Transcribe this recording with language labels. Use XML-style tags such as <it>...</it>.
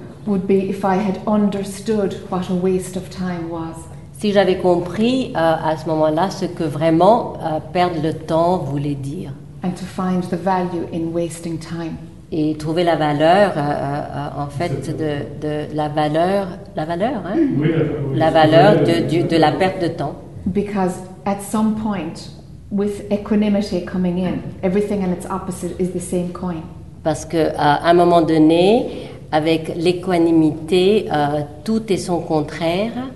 <en>would be if I had understood what a waste of time was.</en> <fr>Si j'avais compris à ce moment-là ce que vraiment perdre le temps voulait dire,</fr> <en>and to find the value in wasting time.</en> <fr>Et trouver la valeur, en fait, de la valeur, hein? Oui, la valeur de la perte de temps.</fr> <en>Because at some point, with equanimity coming in, everything and its opposite is the same coin.</en> <fr>Parce que à un moment donné, avec l'équanimité, tout est son contraire.</fr>